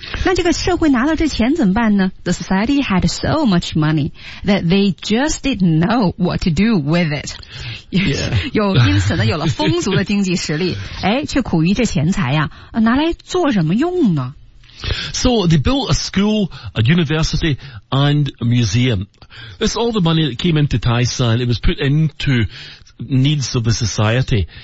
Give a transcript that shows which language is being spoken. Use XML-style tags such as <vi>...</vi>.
<zh>那这个社会拿到这钱怎么办呢？</zh> <en>The society had so much money that they just didn't know what to do with it. Yeah.</en> <zh>有因此呢有了丰足的经济实力，哎，却苦于这钱财呀、啊、拿来做什么用呢？</zh> <en>So they built a school, a university, and a museum. That's all the money that came into Taishan. It was put into needs of the society.</en>